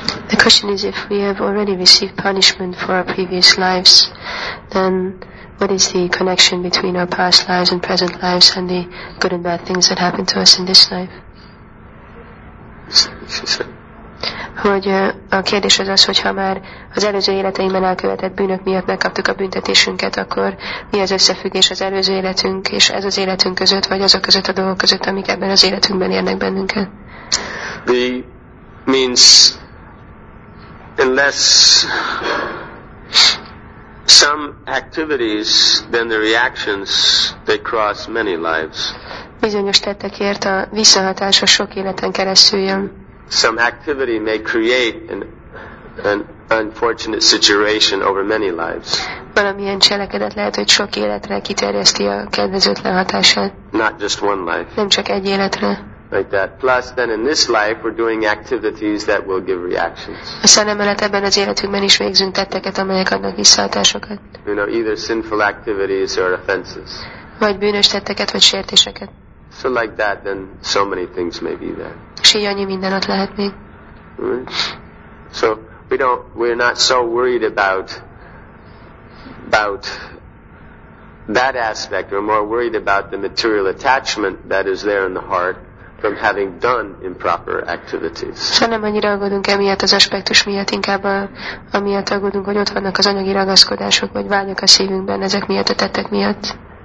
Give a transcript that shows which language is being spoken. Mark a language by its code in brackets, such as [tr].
[en] The question is, if we have already received punishment for our previous lives, then what is the connection between our past lives and present lives and the good and bad things that happen to us in this life? [hu] Hogy a kérdés az, hogy ha már az előző életeinkben elkövetett bűnök miatt megkaptuk a büntetésünket, akkor mi az összefüggés az előző életünk és ez az életünk között, vagy azok között a dolgok között, amik ebben az életünkben érnek bennünket? [en] The means, unless some activities, then the reactions, they cross many lives. [hu] Bizonyos tettekért a visszahatása sok életen keresztül jön. [en] Some activity may create an unfortunate situation over many lives. [hu] Valamilyen cselekedet lehet, hogy sok életre kiterjeszti a kedvezőtlen hatását. [en] Not just one life. [hu] Nem csak egy életre. [en] Like that. Plus, then in this life, we're doing activities that will give reactions. You know, either sinful activities or offenses. [hu] Vagy bűnös tetteket, vagy sértéseket. [en] So like that, then so many things may be there. [hu] És így annyi minden ott lehet még. [en] So we're not so worried about that aspect. We're more worried about the material attachment that is there in the heart from having done improper activities. [hu] Szóval nem annyira aggódunk emiatt az aspektus miatt, inkább amiatt aggódunk, hogy ott vannak az anyagi ragaszkodások, vagy vágyak a szívünkben ezek miatt, a tettek miatt.